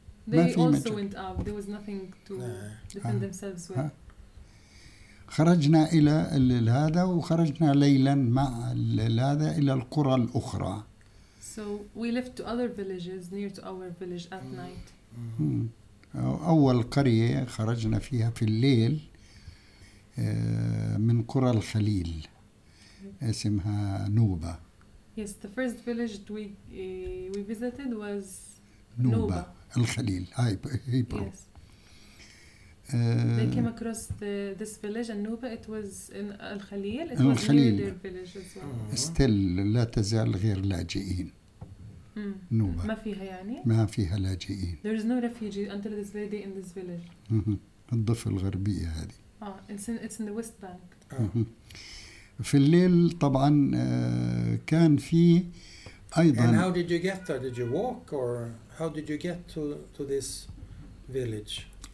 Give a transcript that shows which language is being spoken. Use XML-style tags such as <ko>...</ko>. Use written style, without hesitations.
<en>they also went out there was nothing to defend themselves with</en> <ar>خرجنا إلى هذا وخرجنا ليلا مع هذا إلى القرى الأخرى.</ar> <en>So we left to other villages near to our village at night.</en> <ar>أول قرية خرجنا فيها في الليل من قرى الخليل اسمها نوبة.</ar> <en>Yes, the first village we visited was نوبة.</en> <ar>الخليل هاي هيبرو.</ar> <en>Yes. They came across this village and Nuba. It was in Al Khalil. It was near their village as well. Still,</en> <ar>لا تزال غير لاجئين. Nuba. ما فيها يعني؟ ما فيها لاجئين.</ar> <en>There is no refugee until this very day in this village.</en> <ar>الضفة الغربية هذه.</ar> <en>It's in the West Bank.</en> <ar>في الليل طبعاً كان في أيضاً.</ar> <en>And how did you get there? Did you walk or how did you get to this village?</en>